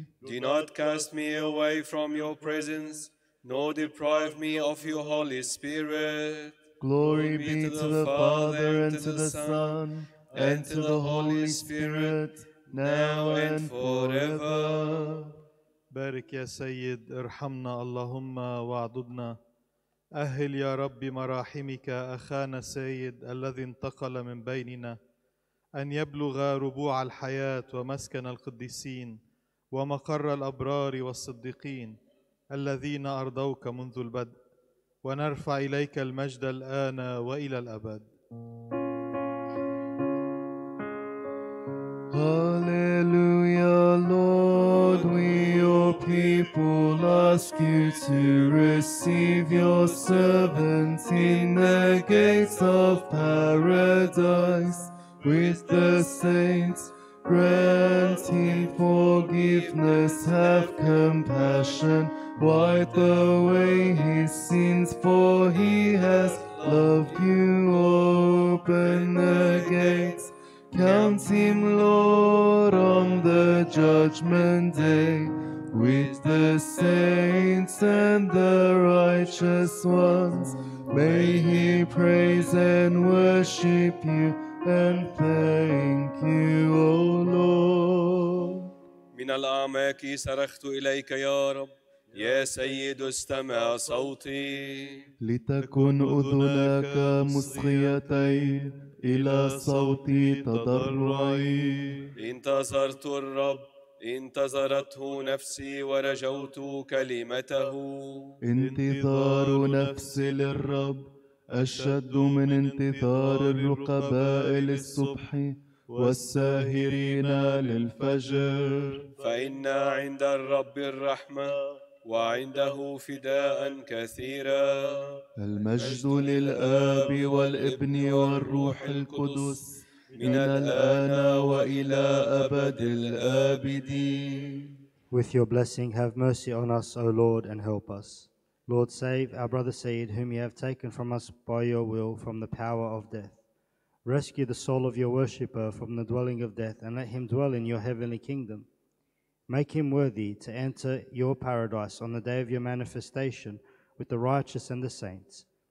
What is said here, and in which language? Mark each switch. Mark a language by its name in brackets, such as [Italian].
[English] Do not cast me away from your presence, nor deprive me of your Holy Spirit. Glory be to the Father, and to the Son, and to the Holy Spirit, now and forever. [Arabic] Barik ya Sayyid, irhamna Allahumma wa'adudna. أهل يا ربي مراحمك أخانا سيد الذي انتقل من بيننا أن يبلغ ربوع الحياة ومسكن القديسين ومقر الأبرار والصديقين الذين أرضوك منذ البدء ونرفع إليك المجد الآن وإلى الأبد. [English] Hallelujah, Lord, we your people ask you to receive your servants in the gates of paradise with the saints. Grant him forgiveness, have compassion, wipe away his sins, for he has loved you. Open the gates. Count him, Lord, on the judgment day with the saints and the righteous ones. May he praise and worship you and thank you, O Lord. [Arabic] من الأعماق صرخت إليك يا رب يا سيد استمع صوتي. لتكن أذناك مصغيتين إلى صوتي تضرعي. انتظرت الرب، انتظرته نفسي ورجوت كلمته. انتظار نفسي للرب أشد من انتظار الرقباء للصبح والساهرين للفجر. فإن عند الرب الرحمة وعنده فداء كثيرا. المجد للآب والابن والروح القدس من الآن وإلى أبد الآبدين. [English] With your blessing, have mercy on us, O Lord, and help us. Lord, save our brother Sayyid, whom you have taken from us by your will from the power of death. Rescue the soul of your worshipper from the dwelling of death, and let him dwell in your heavenly kingdom. Make him worthy to enter your paradise on the day of your manifestation with the righteous and the saints.